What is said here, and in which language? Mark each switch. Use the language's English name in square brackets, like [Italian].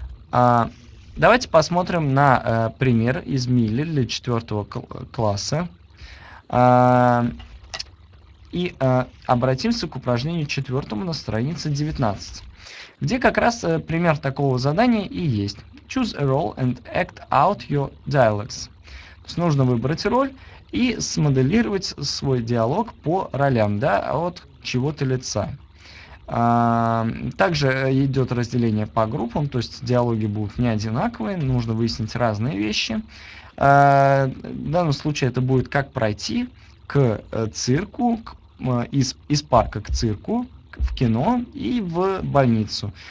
[Russian] Давайте посмотрим на пример из Мили для 4 класса. И обратимся к упражнению 4 на странице 19, где как раз пример такого задания и есть. [English] Choose a role and act out your dialogues. [Russian] То есть нужно выбрать роль и смоделировать свой диалог по ролям, да, от чего-то лица. Также идет разделение по группам, то есть диалоги будут не одинаковые, нужно выяснить разные вещи. В данном случае это будет как пройти к цирку, из парка к цирку, в кино и в больницу.